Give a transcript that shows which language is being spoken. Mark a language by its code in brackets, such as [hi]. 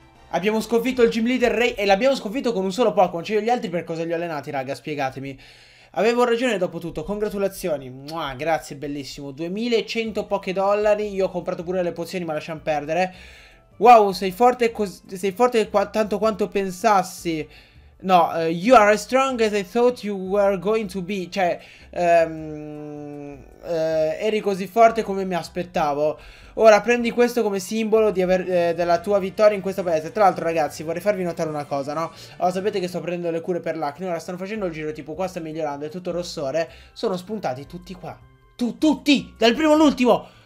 [it] Abbiamo sconfitto il gym leader Ray e l'abbiamo sconfitto con un solo Pokémon. Cioè, gli altri per cosa li ho allenati, raga? Spiegatemi! Avevo ragione dopo tutto, congratulazioni. Mua, grazie, bellissimo. 2100 poche dollari. Io ho comprato pure le pozioni, ma lasciamo perdere. Wow, sei forte qua tanto quanto pensassi. [en] No, you are as strong as I thought you were going to be. [it] Cioè, eri così forte come mi aspettavo. Ora prendi questo come simbolo della tua vittoria in questo paese. Tra l'altro, ragazzi, vorrei farvi notare una cosa, no? Sapete che sto prendendo le cure per l'acne. Ora stanno facendo il giro, tipo, qua sta migliorando, è tutto rossore. Sono spuntati tutti qua. Tutti! Dal primo all'ultimo!